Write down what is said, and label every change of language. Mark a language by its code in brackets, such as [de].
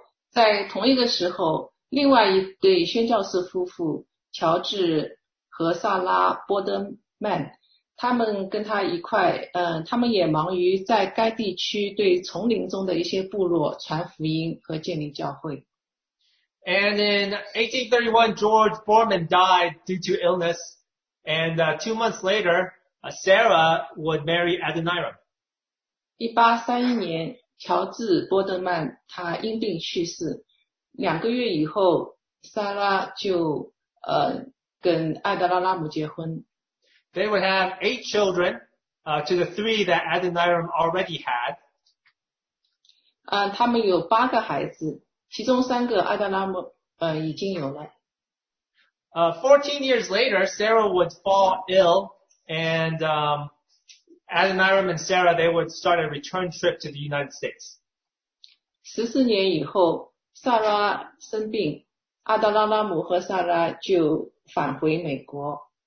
[zh] 在同一个时候，另外一对宣教士夫妇乔治和萨拉波德曼，他们跟他一块，他们也忙于在该地区对丛林中的一些部落传福音和建立教会。 [en] And in 1831, George Borman died due to illness, and 2 months later, Sarah would marry Adoniram. [zh] 1831年，乔治波德曼他因病去世。两个月以后，莎拉就跟艾德拉拉姆结婚。 [en] They would have 8 children, to the three that Adoniram already had. [zh] 他们有八个孩子，其中三个阿达拉姆已经有了。 [en] 14 years later, Sarah would fall ill, and Adoniram and Sarah, they would start a return trip to the United States. [zh] 14年以后，萨拉生病，阿达拉拉姆和萨拉就返回美国。